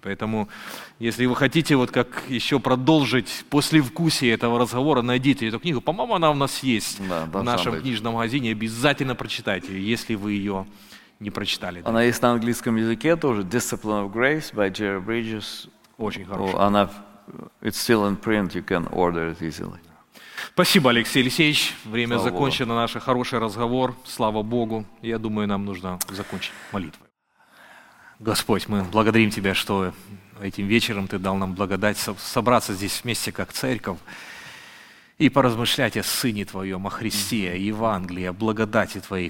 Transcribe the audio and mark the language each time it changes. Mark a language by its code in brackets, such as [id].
[ru] Поэтому, если вы хотите вот как еще продолжить послевкусие этого разговора, найдите эту книгу. По-моему, она у нас есть в нашем книжном магазине. Обязательно прочитайте ее, если вы ее не прочитали. Она есть на английском языке тоже. [en] «Discipline of Grace» by Jerry Bridges. [ru] Очень хорошая. Она... [en] It's still in print, you can order it easily. [ru] Спасибо, Алексей Алексеевич. Время Слава закончено, Богу. Наш хороший разговор. Слава Богу. Я думаю, нам нужно закончить молитвой. Господь, мы благодарим Тебя, что этим вечером Ты дал нам благодать собраться здесь вместе, как церковь, и поразмышлять о Сыне Твоем, о Христе, о Евангелии, о благодати Твоей.